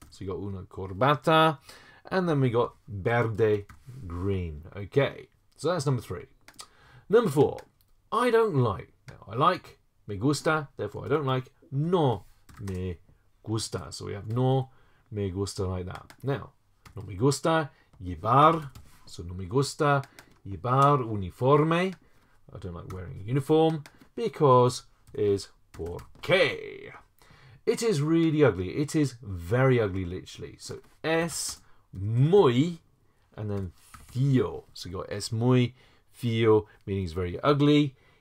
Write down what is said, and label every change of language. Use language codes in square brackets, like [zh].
[en] So, you've got [es] una corbata. [en] And then we've got [es] verde [en] green. Okay. So, that's number three. Number four. I don't like, now I like, [es] me gusta, [en] therefore I don't like, [es] no me gusta. [en] So we have [es] no me gusta [en] like that. Now, [es] no me gusta llevar, [en] so [es] no me gusta llevar uniforme. [en] I don't like wearing a uniform, because is [es] por qué. [en] It is really ugly, it is very ugly literally. So [es] es muy, [en] and then [es] feo. [en] So you got [es] es muy feo, [en] meaning it's very ugly.